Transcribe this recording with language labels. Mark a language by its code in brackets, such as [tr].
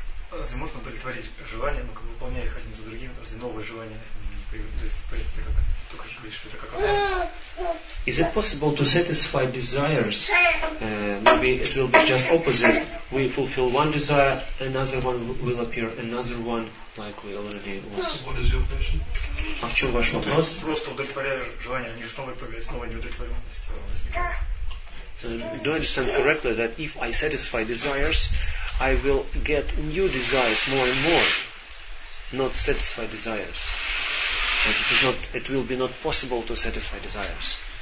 [ru] Разве можно удовлетворить желания, но как бы выполняя их один за другим, разве новые желания не появляются? То есть, как только говорить, что это как одно. [en] Is it possible to satisfy desires? Maybe it will be just opposite. We fulfill one desire, another one will appear, another one, like we already was. What is your question? [ru] А в чем ваш вопрос? Просто удовлетворяешь желание, они же снова появляются, снова неудовлетворенность. [en] Do I understand correctly that if I satisfy desires, I will get new desires more and more, not satisfy desires? That it is not, it will be not possible to satisfy desires.